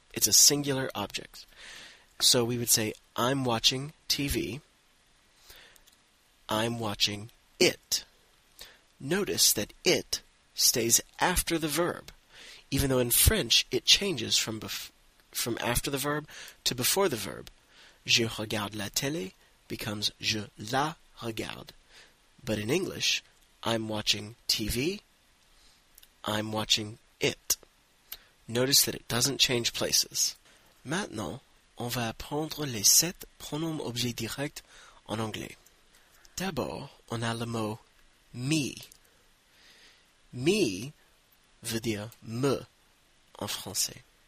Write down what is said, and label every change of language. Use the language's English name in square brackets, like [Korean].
[English] It's a singular object. So we would say, I'm watching TV. I'm watching it. Notice that it stays after the verb, even though in French it changes from after the verb to before the verb. [French] Je regarde la télé becomes je la regarde. [English] But in English, I'm watching TV, I'm watching it. Notice that it doesn't change places. [French] Maintenant, on va apprendre les 7 pronoms objets directs en anglais. D'abord, on a le mot me. Me veut dire me en français.